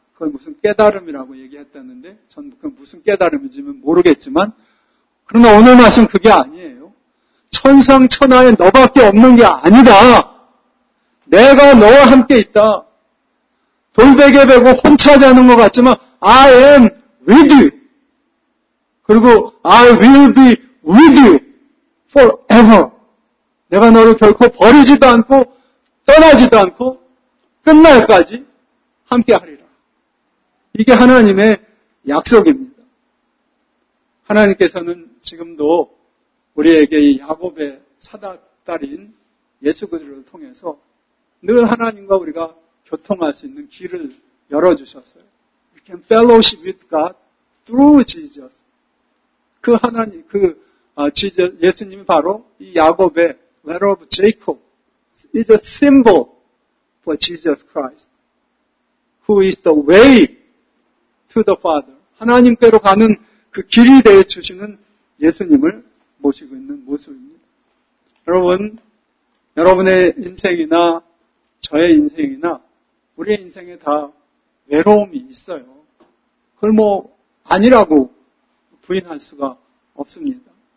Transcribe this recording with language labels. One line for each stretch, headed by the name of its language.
Korean: 그걸 무슨 깨달음이라고 얘기했다는데 전 그건 무슨 깨달음인지는 모르겠지만 그러나 오늘 말씀 그게 아니에요. 천상 천하에 너밖에 없는 게 아니다. 내가 너와 함께 있다. 돌베개 베고 혼자 자는 것 같지만
English: I am with you.
Korean: 그리고
English: I will be with you forever.
Korean: 내가 너를 결코 버리지도 않고 떠나지도 않고 끝날까지 함께 하리라. 이게 하나님의 약속입니다. 하나님께서는 지금도 우리에게 이 야곱의 사다딸인 예수 그리스도를 통해서 늘 하나님과 우리가 교통할 수 있는 길을 열어주셨어요.
English: We can fellowship with God through Jesus.
Korean: 그 하나님, 그 예수님이 바로 이 야곱의
English: Letter of Jacob is a symbol for Jesus Christ, who is the way to the Father.
Korean: 하나님께로 가는 그 길이 되어 주시는 예수님을 모시고 있는 모습입니다. 여러분, 여러분의 인생이나 저의 인생이나 우리의 인생에 다 외로움이 있어요. 그걸 뭐 아니라고 부인할 수가 없습니다.